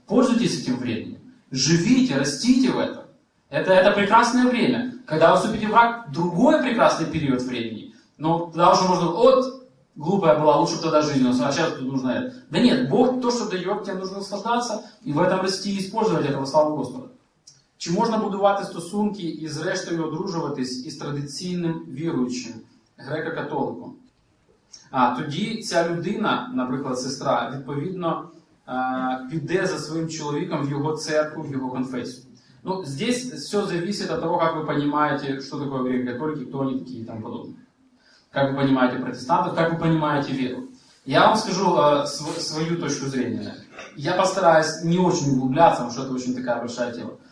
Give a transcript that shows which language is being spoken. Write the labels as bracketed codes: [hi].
[ru] Пользуйтесь этим временем. Живите, растите в этом. Это прекрасное время. Когда вы вступите в брак, другой прекрасный период времени. Но тогда уже можно, вот, глупая была, лучше бы тогда жизнь, а сейчас тут нужно это. Да нет, Бог то, что дает, тебе нужно наслаждаться и в этом расти и использовать этого, слава Господу. [uk] Чи можна будувати стосунки із рештою одружуватись із традиційним віруючим, греко-католиком? А тоді ця людина, наприклад, сестра, відповідно, піде за своїм чоловіком в його церкву, в його конфесію. [ru] Ну, здесь все зависит от того, как вы понимаете, что такое греко-католики, кто они такие и тому подобное. Как вы понимаете протестантов, как вы понимаете веру. Я вам скажу свою точку зрения. Я постараюсь не очень углубляться, потому что это очень такая большая тема.